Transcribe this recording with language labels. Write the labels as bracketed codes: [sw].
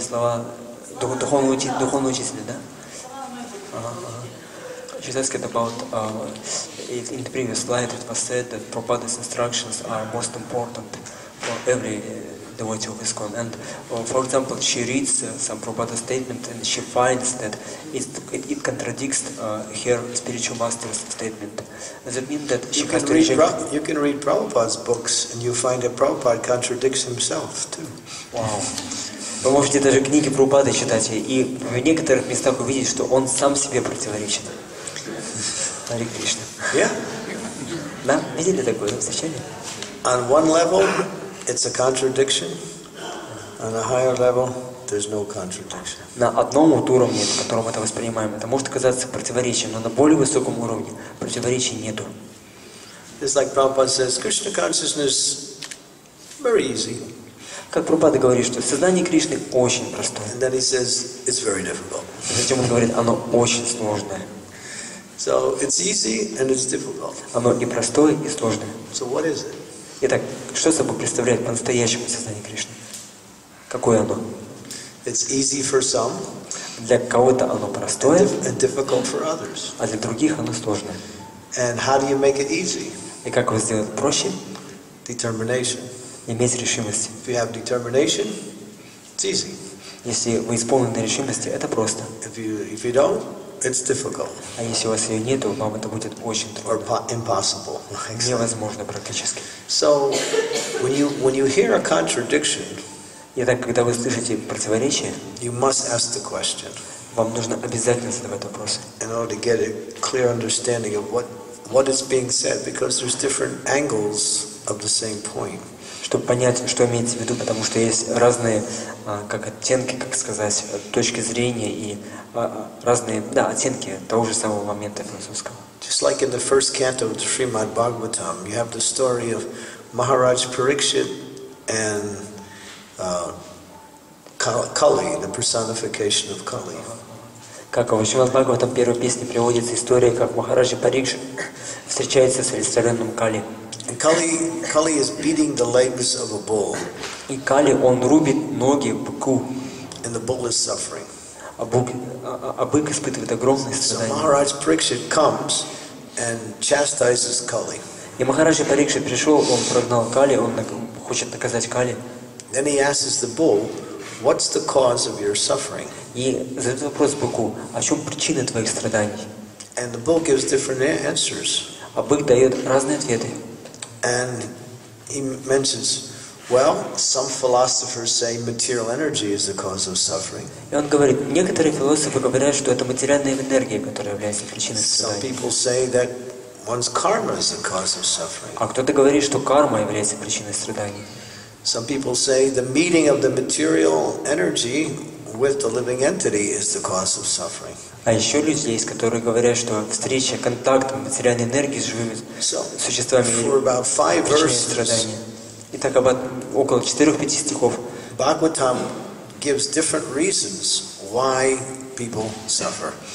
[ru] Слова духовного учителя, да? [en] She's asking about in the previous slide it was said that Prabhupada's instructions are most important for every devotee of ISKCON. And for example, she reads some Prabhupada statement and she finds that it contradicts her spiritual master's statement. Does it mean that she has to reject? You can read Prabhupada's books and you find that Prabhupada contradicts himself too. Wow. [ru] Вы можете даже книги Прабхупады читать и в некоторых местах увидеть, что он сам себе противоречит. Хари Кришна. [en] Yeah. [ru] Да? Видели такое? Встречали? [en] On one level, it's a contradiction. On a higher level, there's no contradiction. [ru] На одном вот уровне, в котором это воспринимаем, это может казаться противоречием, но на более высоком уровне противоречий нету. [en] It's like Prabhupada says, Krishna consciousness very easy. [ru] Как Прабхупада говорит, что сознание Кришны очень простое. [en] And then he says, it's very difficult. [ru] И затем он говорит, оно очень сложное. [en] So it's easy and it's difficult. [ru] Оно и простое, и сложное. [en] So what is it? [ru] Итак, что собой представляет по-настоящему сознание Кришны? Какое оно? [en] It's easy for some. [ru] Для кого-то оно простое, [en] and difficult for others. [ru] А для других оно сложное. [en] And how do you make it easy? [ru] И как его сделать проще? [en] Determination. [ru] Иметь решимость. [en] If you have determination, it's easy. [ru] Если вы исполнены решимости, это просто. [en] If you don't, it's difficult. [ru] А если у вас ее нет, вам это будет очень трудно. [en] Or impossible. Exactly. [ru] Невозможно практически. [en] So when you hear a contradiction, [ru] итак, когда вы слышите противоречие, [en] you must ask the question. [ru] Вам нужно обязательно задавать вопрос. [en] In order to get a clear understanding of what is being said, because there's different angles of the same point. [ru] Чтобы понять, что имеется в виду, потому что есть разные как оттенки, как сказать, точки зрения и разные, да, оттенки того же самого момента философского. [en] Just like in the first canto of the Srimad Bhagavatam, you have the story of Maharaj Parikshit and Kali, the personification of Kali. [ru] Как в Шримад Бхагаватам первой песне приводится история, как Махараджа Парикшит встречается с олицетворенным Кали. [en] And Kali is beating the legs of a bull. [ru] И Кали, он рубит ноги быку. [en] And the bull is suffering. [ru] А бык испытывает огромное страдание. [en] So Maharaj Parikshit comes and chastises Kali. [ru] И Махараджа Парикшит пришел, он прогнал Кали, он хочет наказать Кали. [en] Then he asks the bull, "What's the cause of your suffering?" [ru] И задает вопрос быку, о чем причина твоих страданий? [en] And the bull gives different answers. [ru] А бык дает разные ответы. [en] And he mentions, well, some philosophers say material energy is the cause of suffering. [ru] И он говорит, некоторые философы говорят, что это материальная энергия, которая является причиной страданий. [en] Some people say that one's karma is the cause of suffering. [ru] А кто-то говорит, что карма является причиной страданий. [en] Some people say the meeting of the material energy with the living entity is the cause of suffering. [ru] А еще люди есть, которые говорят, что встреча, контакт материальной энергии с живыми существами причиняет страдания. Итак, около 4-5 стихов. [en] Bhagavatam gives different reasons why people suffer.